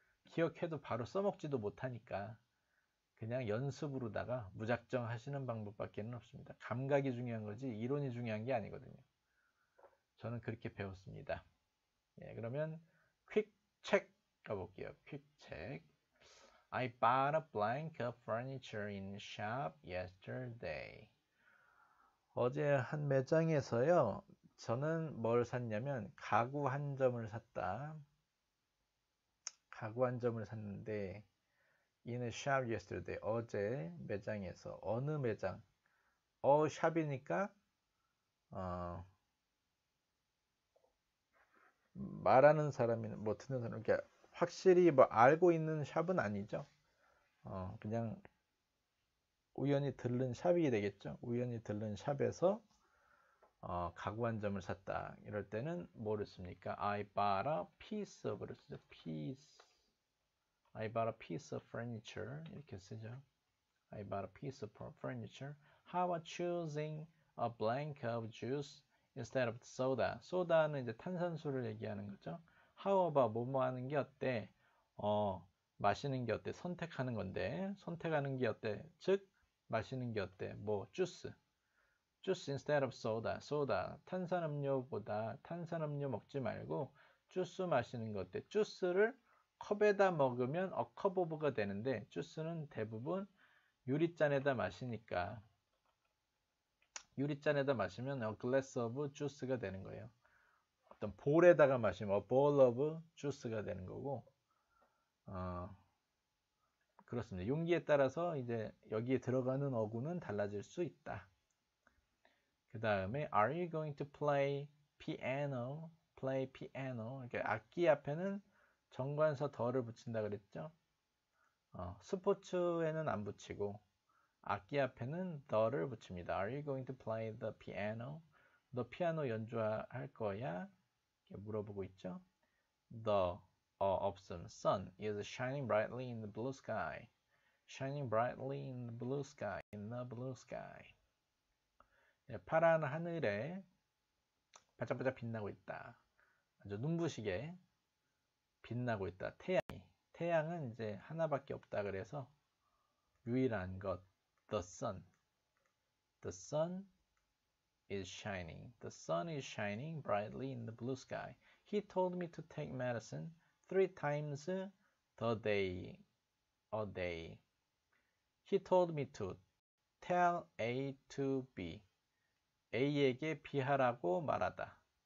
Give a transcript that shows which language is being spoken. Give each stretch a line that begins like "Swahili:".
Korean: 기억해도 바로 써먹지도 못하니까 그냥 연습으로다가 무작정 하시는 방법밖에 없습니다. 감각이 중요한 거지 이론이 중요한 게 아니거든요. 저는 그렇게 배웠습니다. 예, 그러면 퀵책 가볼게요. 퀵 책.
English: I bought a blank of furniture in shop yesterday.
Korean: 어제 한 매장에서요, 저는 뭘 샀냐면, 가구 한 점을 샀다. 가구 한 점을 샀는데,
English: in a shop yesterday,
Korean: 어제 매장에서, 어느 매장? 샵이니까, 말하는 사람이, 뭐, 듣는 사람, 그러니까 확실히 뭐, 알고 있는 샵은 아니죠. 그냥, 우연히 들른 샵이 되겠죠. 우연히 들른 샵에서 가구 한 점을 샀다. 이럴 때는 뭐를 씁니까?
English: I bought a piece of
Korean: 를 쓰죠.
English: Piece. I bought a piece of furniture.
Korean: 이렇게 쓰죠.
English: I bought a piece of furniture. How about choosing a blank of juice instead of soda?
Korean: Soda는 이제 탄산수를 얘기하는 거죠. How about 뭐뭐 하는 게 어때? 마시는 게 어때? 선택하는 건데. 선택하는 게 어때? 즉 마시는 게 어때? 뭐 주스.
English: Juice instead of soda.
Korean: Soda. 탄산음료보다 탄산음료 먹지 말고 주스 마시는 게 어때? 주스를 컵에다 먹으면 a cup of가 되는데 주스는 대부분 유리잔에다 마시니까 유리잔에다 마시면
English: a glass of juice
Korean: 가 되는 거예요. 어떤 볼에다가 마시면 a bowl of juice가 되는 거고. 그렇습니다. 용기에 따라서 이제 여기에 들어가는 어구는 달라질 수 있다.
English: 그 다음에 Are you going to play piano? Play piano.
Korean: 이렇게 악기 앞에는 정관사 더를 붙인다 그랬죠? 스포츠에는 안 붙이고 악기 앞에는 더를 붙입니다.
English: Are you going to play the piano?
Korean: 너 피아노 연주할 거야? 이렇게 물어보고 있죠? 너 없음.
English: Sun is shining brightly in the blue sky. Shining brightly in the blue sky. In the blue sky.
Korean: 네, 파란 하늘에 반짝반짝 빛나고 있다. 아주 눈부시게 빛나고 있다. 태양이. 태양은 이제 하나밖에 없다. 그래서 유일한 것. The sun.
English: The sun is shining. The sun is shining brightly in the blue sky. He told me to take medicine. Three times the day, a day. He told me to tell A to B.
Korean: A에게 B하라고 말하다.